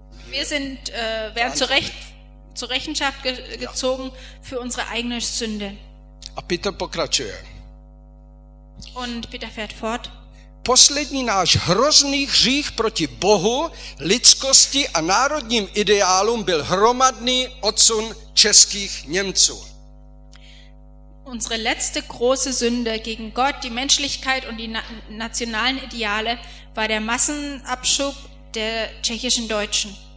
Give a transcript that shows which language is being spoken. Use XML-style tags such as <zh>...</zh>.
<de>Wir werden zur Rechenschaft gezogen für unsere eigene Sünde.</de> <cs>A Peter pokračuje.</cs> <de>Und Peter fährt fort.</de> <cs>Poslední náš hrozný hřích proti Bohu, lidskosti a národním ideálům byl hromadný odsun českých Němců.</cs> <de>Unsere letzte große Sünde gegen Gott, die Menschlichkeit und die nationalen Ideale war der Massenabschub der tschechischen Deutschen.</de>